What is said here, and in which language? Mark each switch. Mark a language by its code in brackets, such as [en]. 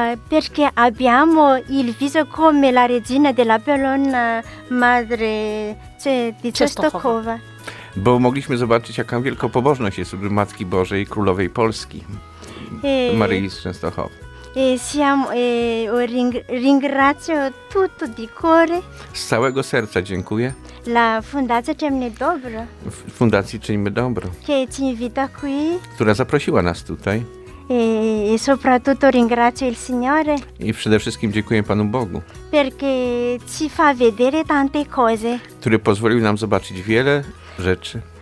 [it] Perché abbiamo il viso come la regina della Polonia, madre di Częstochowa. [pl] Bo mogliśmy zobaczyć, jaka wielkopobożność jest u Matki Bożej, Królowej Polski, Maryi z Częstochowy. [it] Ringrazio tutto di cuore. [pl] Z całego serca dziękuję. [it] La Fundacja Czyńmy Dobro. [pl] Fundacji Czyńmy Dobro. [it] Che ci invita qui. [pl] Która zaprosiła nas tutaj. [it] E soprattutto ringrazio il Signore. [pl] I przede wszystkim dziękuję Panu Bogu. [it] Perché ci fa vedere tante cose. [pl] Który pozwolił nam zobaczyć wiele rzeczy.